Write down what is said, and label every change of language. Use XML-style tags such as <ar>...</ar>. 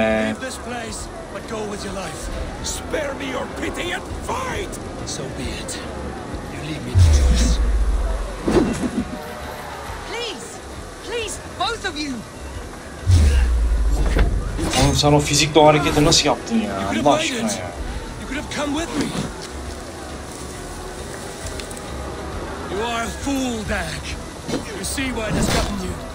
<en>Leave this place, but go with your life. Spare me your pity and fight. So be it. You leave me to choose. Please, please, both of you.</en> <tr>Oğlum sen o fizikle o hareketi nasıl yaptın ya? Allah aşkına ya.</tr> <en>You could have come with me. You are a fool, Dak. You see why it has gotten you.</en>